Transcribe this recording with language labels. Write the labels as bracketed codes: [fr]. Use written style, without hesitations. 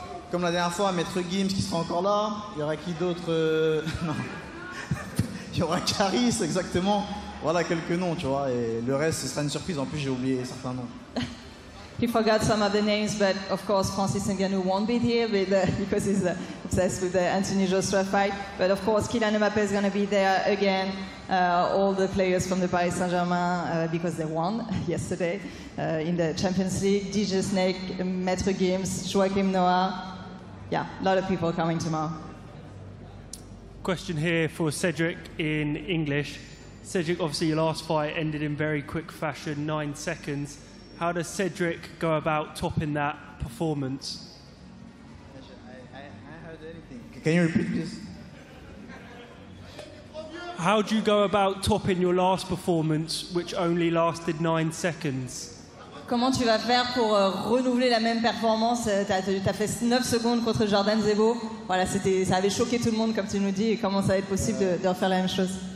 [fr] Comme la dernière fois, Maître Gims qui sera encore là. Il y aura qui d'autre Non. Il y aura Caris, exactement. Voilà quelques noms, tu vois. Et le reste, ce sera une surprise. En plus, j'ai oublié certains noms. [en] He forgot some of the names, but of course, Francis Ngannou won't be here with, because he's obsessed with the Anthony Joshua fight. But of course, Kylian Mbappé is going to be there again. All the players from the Paris Saint-Germain, because they won yesterday in the Champions League. DJ Snake, Maître Gims, Joachim Noah. Yeah, a lot of people coming tomorrow. Question here for Cedric in English. Cedric, obviously your last fight ended in very quick fashion, 9 seconds. How does Cedric go about topping that performance? I heard anything. Can you repeat this? How do you go about topping your last performance, which only lasted 9 seconds? [fr] Comment tu vas faire pour renouveler la même performance? T'as fait 9 secondes contre Jordan Zebo. Voilà, ça avait choqué tout le monde, comme tu nous dis. Et comment ça va être possible de refaire la même chose?